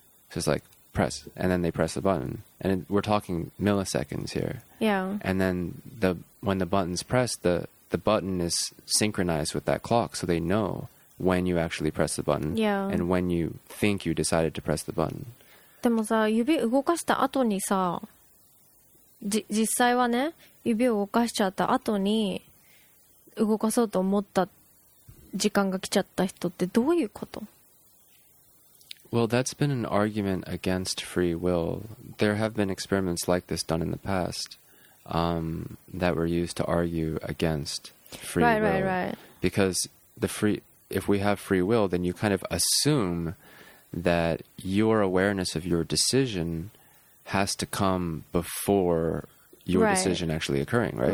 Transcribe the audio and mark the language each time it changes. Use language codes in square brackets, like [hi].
[en] So it's like, press. And then they press the button. And we're talking milliseconds here. Yeah. And then when the button's pressed, the button is synchronized with that clock, so they know when you actually press the button and when you think you decided to press the button. [ja] でもさ、指動かした後にさ、実際はね、指を動かしちゃった後に動かそうと思った時間が来ちゃった人ってどういうこと？ [en] Well, that's been an argument against free will. There have been experiments like this done in the past. That were used to argue against free will. Because if we have free will, then you kind of assume that your awareness of your decision has to come before your decision actually occurring, right?